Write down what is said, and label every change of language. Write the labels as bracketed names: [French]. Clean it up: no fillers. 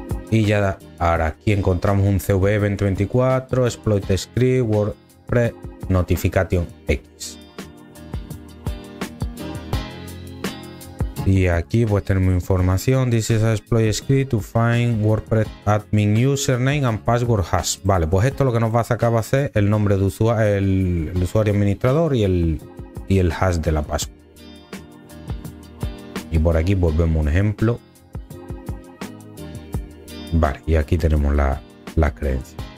[Spanish] Y ya ahora aquí encontramos un CVE 2024, exploit script, WordPress Notification X. Y aquí pues tenemos información. [English] This is a exploit script to find WordPress admin username and password hash. [Spanish] Vale, pues esto lo que nos va a sacar va a ser el nombre de usuario, el usuario administrador y el hash de la password. Y por aquí pues vemos un ejemplo. Vale, y aquí tenemos la creencia.